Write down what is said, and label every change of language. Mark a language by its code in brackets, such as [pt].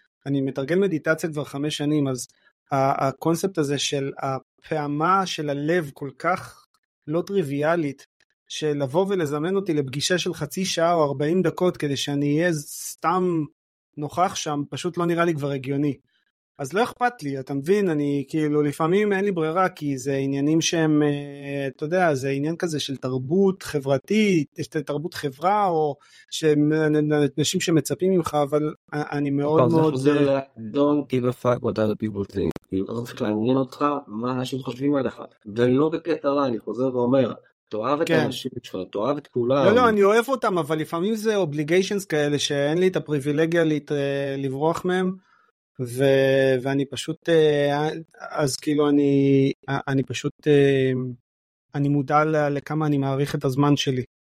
[he] אני מתרגל מדיטציה כבר 5 שנים, אז הקונספט הזה של הפעמה של הלב כל כך לא טריוויאלית, שלבוא ולזמן אותי לפגישה של 30 או 40 דקות, כדי שאני אהיה סתם נוכח שם, פשוט לא נראה לי כבר הגיוני. אז לא אכפת לי, אתה מבין, אני כאילו לפעמים אין לי ברירה, כי זה עניינים שהם, אתה יודע, זה עניין כזה של תרבות חברתית, יש את תרבות חברה, או אנשים שמצפים ממך, אבל אני מאוד מאוד... זה חוזר ל- [en] don't give a fuck what other people think. [he] אני לא צריך לעניין אותך מה אנשים חושבים עליך. ולא בקטע רע, אני חוזר ואומר, תאהב את האנשים שלך, תאהב את כולם. לא, לא, אני אוהב אותם, אבל לפעמים זה obligations כאלה, שאין לי את הפריבילגיה לברוח מהם, ואני פשוט, אז כאילו אני פשוט, אני מודע לכמה אני מעריך את הזמן שלי.